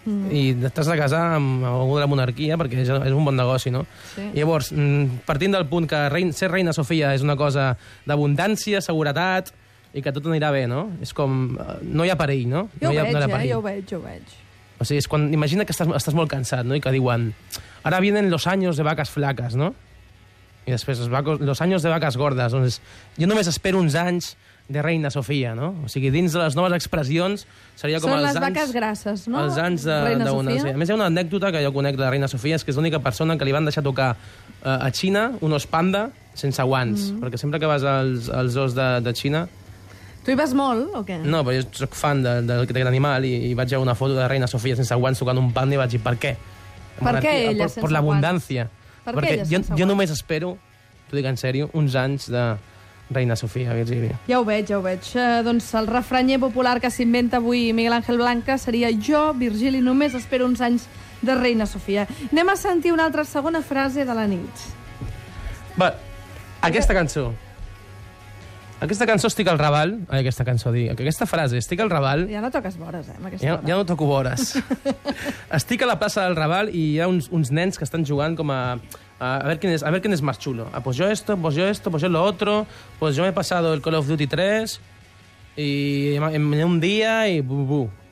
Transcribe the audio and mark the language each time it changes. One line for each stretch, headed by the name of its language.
Catalan: I t'has de casar amb algú de la monarquia perquè és un bon negoci, no? Sí. Llavors, partint del punt que ser Reina Sofía és una cosa d'abundància, seguretat... i que tot anirà bé, no? És com... No hi ha parell, no? Jo ho veig. O sigui, és quan... Imagina que estàs molt cansat, no? I que diuen... "Ara
Spanish: vienen los años de vacas flacas", no? I després, los años de vacas gordas.
Catalan: Doncs jo només espero uns anys de Reina Sofía, no? O sigui, dins de les noves expressions, seria com són els anys... Són les vaques grasses, no? Els anys d'una... Sí. A més, hi ha una anècdota que jo conec de la Reina Sofía, és que és l'única persona que li van deixar tocar a Xina un os panda sense guants. Mm-hmm. Perquè sempre que vas als os de Xina... Tu hi vas molt, o què? No, però jo soc fan d'aquest animal i vaig veure una foto de Reina Sofía sense guants tocant un panda i vaig dir: "Per què?" Per què ella sense guants? Per l'abundància. Per què ella sense guants? Jo només espero, t'ho dic en sèrio, uns anys de Reina Sofía, Virgili. Ja ho veig. Doncs el refranyer popular que s'inventa avui Miguel Ángel Blanca seria: "Jo, Virgili, només espero uns anys de Reina Sofía". Anem a sentir una altra segona frase de la nit. Va, aquesta cançó. Aquesta cançó estic al Raval. Ai, aquesta cançó, dic. Aquesta frase, estic al Raval. Ja no toques vores, amb aquesta ja, ja no toco vores. Estic a la plaça del Raval i hi ha uns nens que estan jugant com
Spanish: a ver quién es más chulo. Ah, pues yo esto, pues yo esto, pues yo lo otro. Pues yo me he pasado el Call of Duty 3 y en un día y bu, bu.